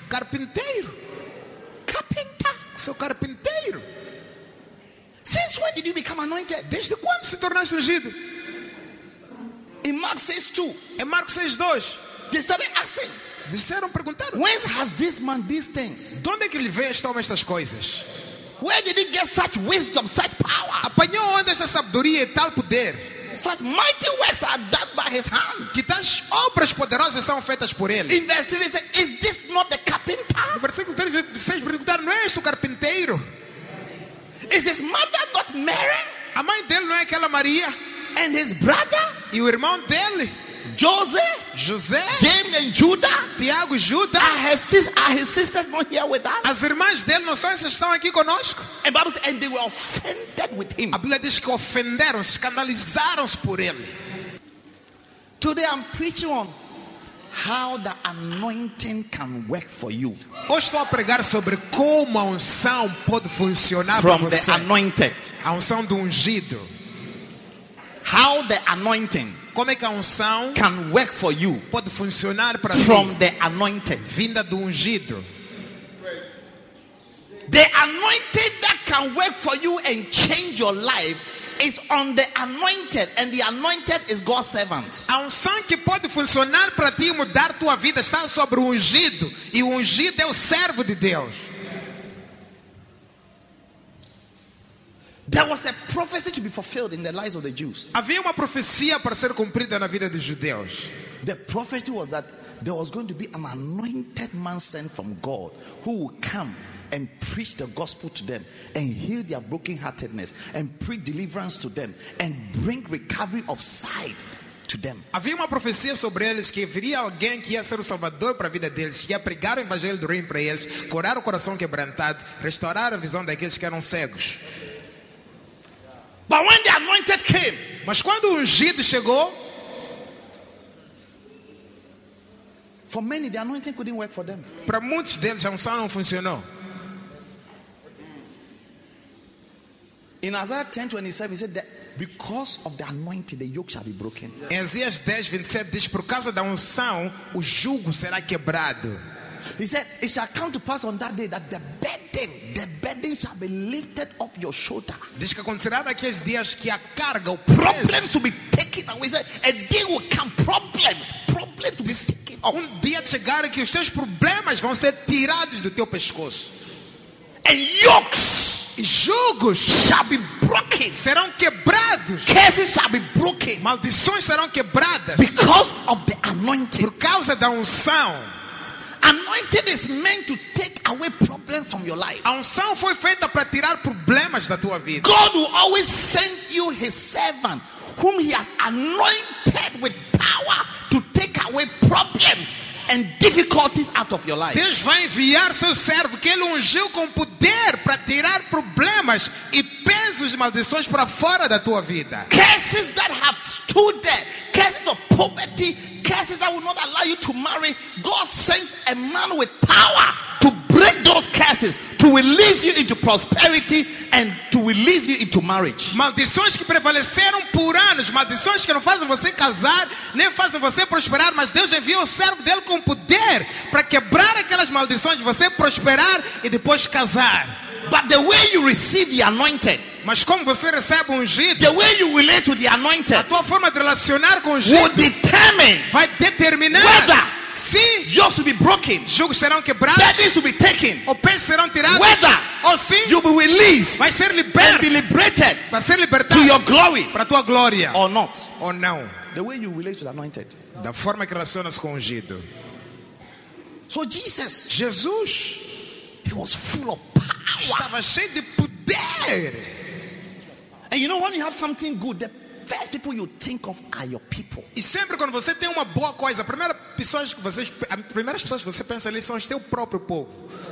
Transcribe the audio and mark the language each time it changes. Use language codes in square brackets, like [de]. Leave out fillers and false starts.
[pt] carpinteiro. Sou carpinteiro. [en] Since when did you become anointed? [pt] Desde quando se tornaste ungido? [en] In Mark 6:2. [pt] Em Marcos 6:2. [en] They started asking. [pt] Disseram, perguntar. [en] Whence has this man these things? [pt] De onde é que ele veio este homem estas coisas? [en] Where did he get such wisdom, such power? [pt] Apanhou onde esta sabedoria e tal poder? [en] Such mighty works are done by his hands. [pt] Que tais obras poderosas são feitas por ele. [en] In verse 3, he said, is this not the carpenter? [pt] No versículo 36, perguntaram, não é este o carpinteiro? [en] Is his mother not Mary? [pt] A mãe dele não é aquela Maria? [en] And his brother? [pt] E o irmão dele? [en] Joseph? [pt] José? [en] James and Judah? [pt] Tiago e Judas? [en] Are his sisters not here with us? [pt] As irmãs dele não são essas que estão aqui conosco? [en] And Bible says, and they were offended with him. [pt] A Bíblia diz que ofenderam, escandalizaram-se por ele. [en] Today I'm preaching on how the anointing can work for you. [pt] Hoje estou a pregar sobre como a unção pode funcionar para você. [en] From the anointed. [pt] A unção do ungido. [en] How the anointing. [pt] Como é que a unção [en] can work for you. [pt] Pode funcionar para você. [en] From the anointed. [pt] Vinda do ungido. [en] The anointing that can work for you and change your life is on the anointed, and the anointed is God's servant. [pt] A unção que pode funcionar para ti e mudar tua vida está sobre o ungido, e o ungido é o servo de Deus. [en] There was a prophecy to be fulfilled in the lives of the Jews. [pt] Havia uma profecia para ser cumprida na vida dos judeus. [en] The prophecy was that there was going to be an anointed man sent from God who would come and preach the gospel to them and heal their brokenheartedness and preach deliverance to them and bring recovery of sight to them. [pt] Havia uma profecia sobre eles que viria alguém que ia ser o salvador para a vida deles, ia pregar o evangelho do reino para eles, curar o coração quebrantado, restaurar a visão daqueles que eram cegos. [en] But when the anointed came, [pt] mas quando o ungido chegou, [en] for many the anointing couldn't work for them. [pt] Para muitos deles a unção não funcionou. [en] In Isaiah 10:27, he said that because of the anointing, the yoke shall be broken. [pt] Em Isaías 10:27 diz, por causa da unção, o jugo será quebrado. [en] He said, it shall come to pass on that day that the burden shall be lifted off your shoulder. [pt] Diz que acontecerá naqueles dias que a carga, o peso, [en] problems will be taken away. A day will come, problems will be taken off. [pt] Um dia de chegar que os teus problemas vão ser tirados do teu pescoço. [en] And yokes. [pt] E jugos [en] shall be broken. [pt] Serão quebrados. [en] Curses shall be broken. [pt] Maldições serão quebradas. [en] Because of the anointing. [pt] Por causa da unção. [en] Anointing is meant to take away problems from your life. [pt] A unção foi feita para tirar problemas da tua vida. [en] God will always send you his servant whom he has anointed with power to take away problems and difficulties out of your life. [pt] Deus vai enviar seu servo que ele ungiu com poder para tirar problemas e pesos e maldições para fora da tua vida. [en] Curses that have stood there, curses of poverty, curses that will not allow you to marry, God sends a man with power to break those curses, to release you into prosperity and to release you into marriage. [pt] Maldições que prevaleceram por anos, maldições que não fazem você casar, nem fazem você prosperar, mas Deus envia o servo dele com poder para quebrar aquelas maldições, você prosperar e depois casar. [en] But the way you receive the anointed, [pt] mas como você recebe o ungido, [en] the way you relate to the anointed, [pt] a tua forma de relacionar com o ungido, [en] will determine, [pt] vai determinar [en] whether, [pt] se [en] jugos will be broken, [pt] jugos serão quebrados, [en] burdens will be taken, [pt] ou pesos serão tirados, [en] whether, [pt] ou se [en] you will be released, [pt] vai ser liberto, [en] and be liberated, [pt] vai ser libertado, [en] to your glory, [pt] para tua glória, [en] or not, [pt] ou não, [en] the way you relate to the anointed, [pt] da forma que relacionas com o ungido. [en] So Jesus, [pt] Jesus, [en] he was full of power. [pt] Estava cheio de poder. [en] And you know, when you have something good, the first people you think of are your people. [pt] E sempre quando você tem uma boa coisa, as primeiras pessoas que você pensa ali são o seu próprio povo.